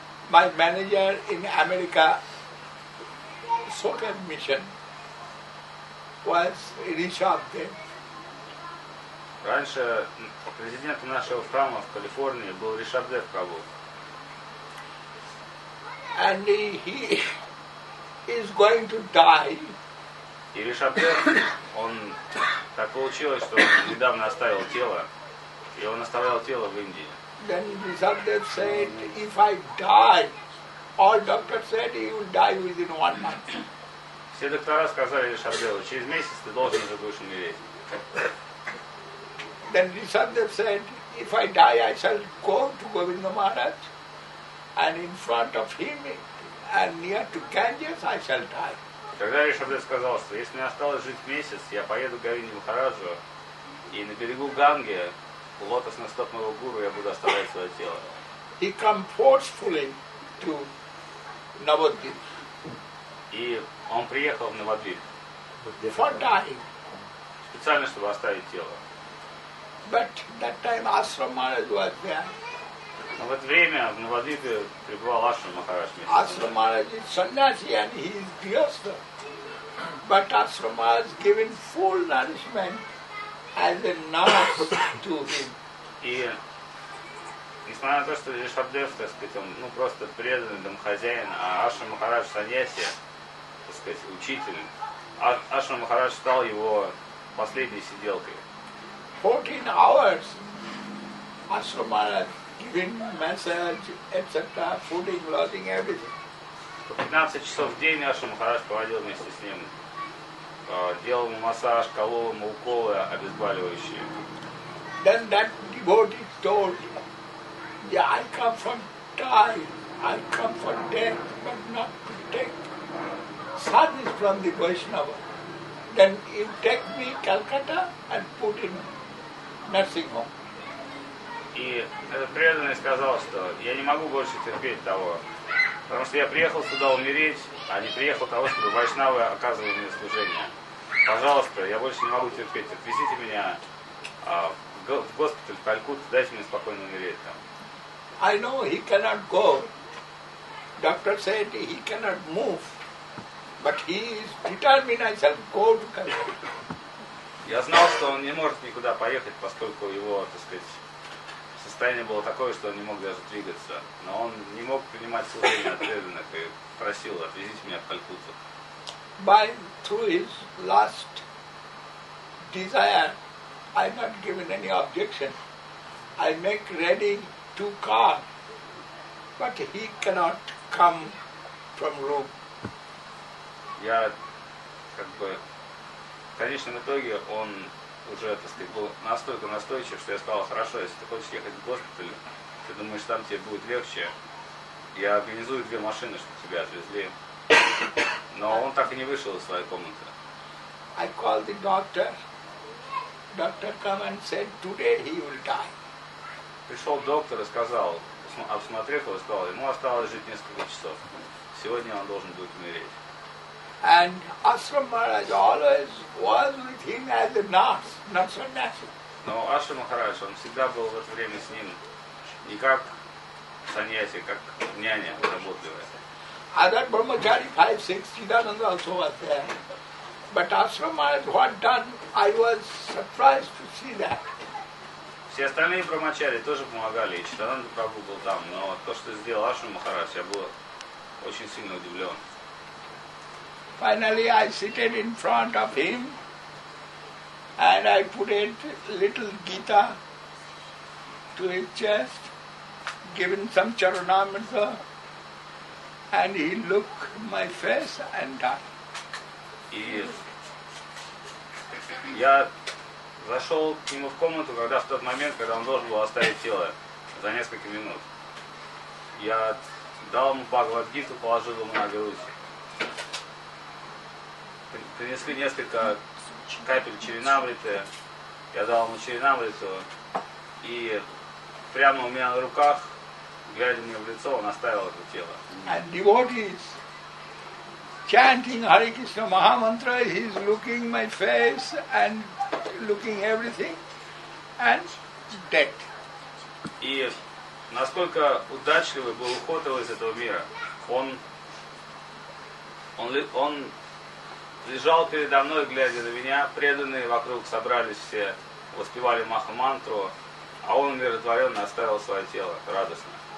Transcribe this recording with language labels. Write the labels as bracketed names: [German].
[English] My manager in America, Sokhan Mission, was Rishabh Dev. [Russian] Раньше президентом нашего храма в Калифорнии был Ришабдев Прабху. [English] And he is going to die. [Russian] И Ришабдев, он так получилось, что он недавно оставил тело, и он оставлял тело в Индии. [English] Then Ришабдев said, if I die, all doctors said he will die within 1 month. [Russian] Все доктора сказали Ришабдеву, через месяц ты должен уже будешь умереть. [English] Then Ришабдев said, if I die, I shall go to Govinda Maharaj, and in front of him, and near to Ganges, I shall die. [Russian] Тогда Ришабдев сказал, что если мне осталось жить месяц, я поеду к Говинде Махараджу, и на берегу Ганги, лотосный стоп моего гуру, я буду оставлять свое тело. [English] He came forcefully to Navadvip. [Russian] И он приехал в Навадвип. [English] For dying. [Russian] Специально, чтобы оставить тело. [English] But that time Ashram Maharaj was there. [Russian] Но в это время в Навадвипе пребывал Ашрам Махарадж. [English] Ашрам Махарадж is sannyasi and he is gyastha. But Ashram Maharaj has given full nourishment as a nurse to him. [Russian] И несмотря на то, что Ришабдев, так сказать, он ну, просто преданный домохозяин, а Ашрам Махарадж саньяси, так сказать, учитель, Ашрам Махарадж стал его последней сиделкой. [English] 14 hours Ашрам Махарадж giving massage, etc., fooding, lodging, everything. [Russian] 15 часов в день Ашрам Махарадж проводил вместе с ним. Делал ему массаж, колол ему уколы обезболивающие. [English] Then that devotee told, yeah, I come from time, I come from death, but not to take service from the Vaishnava. Then you take me to Calcutta and put in nursing home. [Russian] И этот преданный сказал, что я не могу больше терпеть того, потому что я приехал сюда умереть, а не приехал того, чтобы вайшнавы оказывали мне служение. Пожалуйста, я больше не могу терпеть, отвезите меня в госпиталь в Калькутту, дайте мне спокойно умереть там. [English] I know he cannot go. Doctor said he cannot move. But he is determined I shall go to Calcutta. [Russian] Я знал, что он не может никуда поехать, поскольку его, так сказать, состояние было такое, что он не мог даже двигаться. Но он не мог принимать служение от преданных и просил, отвезите меня в Калькутту. [English] By through his last desire, I am not given any objection. I make ready to call, but he cannot come from room. [Russian] Я как бы в конечном итоге он уже, так сказать, был настолько настойчив, что я сказал, хорошо, если ты хочешь ехать в госпиталь, ты думаешь, там тебе будет легче, я организую две машины, чтобы тебя отвезли. Но он так и не вышел из своей комнаты. [English] I called the doctor. Doctor came and said, today he will die. [Russian] Пришел доктор и сказал, обсмотрев его, сказал, ему осталось жить несколько часов. Сегодня он должен будет умереть. [English] And Ashram Maharaj always was with him as a nurse, not so nasty. [Russian] Но Ашрам Махарадж, он всегда был в это время с ним, не как саньяси, как няня, заботливая. [English] Other brahmachari 5-6, Chidananda also was there. But Ashram Maharaj, what done, I was surprised to see that. [Russian] Все остальные брахмачари тоже помогали, и Чидананда Прабху был там. Но то, что сделал Ашрам Махарадж, я был очень сильно удивлен. [English] Finally, I seated in front of him, and I put a little Gita to his chest, given some charanamrita, and he looked my face and died. [Russian] Я зашел к нему в комнату, когда в тот момент, когда он должен был оставить тело за несколько минут, я дал ему Бхагавад Гиту, положил ему на грудь. Принесли несколько капель чаринамриты, я дал ему чаринамриту, и прямо у меня на руках, глядя мне в лицо, он оставил это тело. [English] And devotees chanting Hare Krishna Mahamantra, he's looking my face and looking everything, and dead. [Russian] И насколько удачливый был уход его из этого мира, он лежал передо мной, глядя на меня, преданные вокруг собрались все, воспевали Маха-мантру, а он умиротворенно оставил свое тело, радостно.